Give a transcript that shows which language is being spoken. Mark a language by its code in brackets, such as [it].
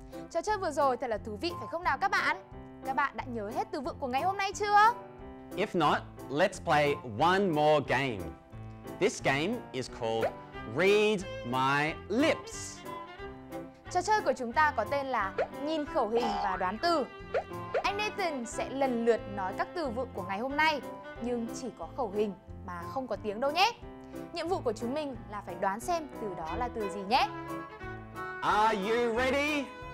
[vi] Trò chơi vừa rồi thật là thú vị phải không nào các bạn? Các bạn đã nhớ hết từ vựng của ngày hôm nay chưa? [en] If not, let's play one more game. This game is called Read My Lips. [vi] Trò chơi của chúng ta có tên là Nhìn khẩu hình và đoán từ. Anh Nathan sẽ lần lượt nói các từ vựng của ngày hôm nay, nhưng chỉ có khẩu hình mà không có tiếng đâu nhé. Nhiệm vụ của chúng mình là phải đoán xem từ đó là từ gì nhé. [en] Are you ready?